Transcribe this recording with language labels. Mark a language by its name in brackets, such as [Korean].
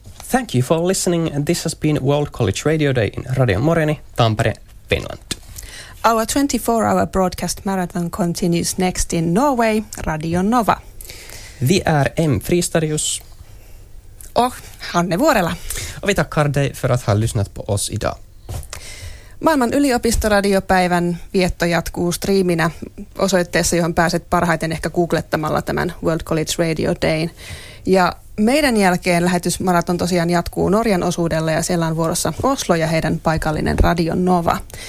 [English] Thank you for listening. This has been World College Radio Day in Radio Moreni, Tampere, Finland. Our 24-hour broadcast marathon continues next in Norway, Radio Nova. [Swedish] Vi är M. Fristadius. Och Hanne Vuorela. Och vi tackar dig för att ha lyssnat på oss idag. [Finnish] Maailman yliopistoradiopäivän vietto jatkuu striiminä osoitteessa, johon pääset parhaiten ehkä googlettamalla tämän World College Radio Dayn. Ja meidän jälkeen lähetysmaraton tosiaan jatkuu Norjan osuudella ja siellä on vuorossa Oslo ja heidän paikallinen Radio Nova.